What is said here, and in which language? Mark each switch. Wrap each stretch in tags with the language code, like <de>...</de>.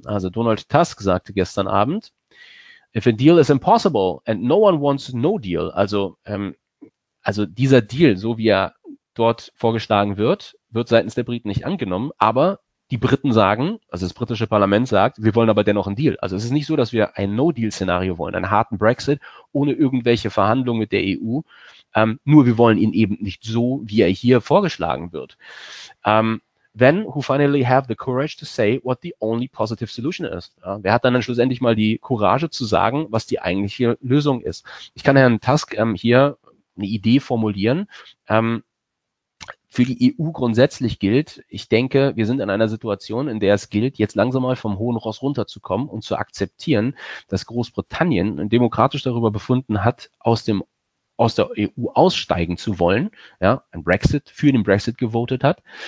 <de>Also Donald Tusk sagte gestern Abend,</de> <en>if a deal is impossible and no one wants no deal,</en> <de>also dieser Deal, so wie er dort vorgeschlagen wird, wird seitens der Briten nicht angenommen, aber die Briten sagen, also das britische Parlament sagt, wir wollen aber dennoch einen Deal. Also es ist nicht so, dass wir ein No-Deal-Szenario wollen, einen harten Brexit ohne irgendwelche Verhandlungen mit der EU. Nur wir wollen ihn eben nicht so, wie er hier vorgeschlagen wird.</de> <en>Then who finally have the courage to say what the only positive solution is?</en> <de>Ja, wer hat dann schlussendlich mal die Courage zu sagen, was die eigentliche Lösung ist? Ich kann Herrn Tusk hier eine Idee formulieren. Für die EU grundsätzlich gilt, ich denke, wir sind in einer Situation, in der es gilt, jetzt langsam mal vom hohen Ross runterzukommen und zu akzeptieren, dass Großbritannien demokratisch darüber befunden hat, aus der EU aussteigen zu wollen, ja, ein Brexit, für den Brexit gewotet hat</de>